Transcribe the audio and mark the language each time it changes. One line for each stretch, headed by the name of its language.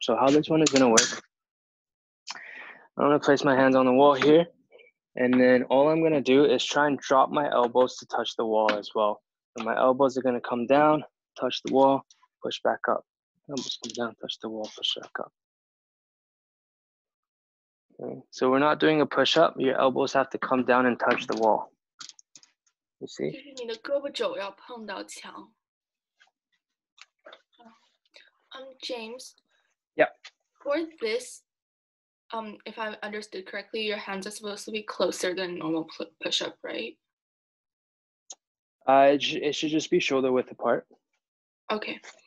English: So how this one is gonna work, I'm gonna place my hands on the wall here, and then all I'm gonna do is try and drop my elbows to touch the wall as well. So my elbows are gonna come down, touch the wall, push back up. Elbows come down, touch the wall, push back up. So we're not doing a push-up. Your elbows have to come down and touch the wall. You see?
Chinese: 就是你的胳膊肘要碰到墙.
English: James. Yeah. For this, if I understood correctly, your hands are supposed to be closer than normal push-up, right? It should just be shoulder width apart. Okay.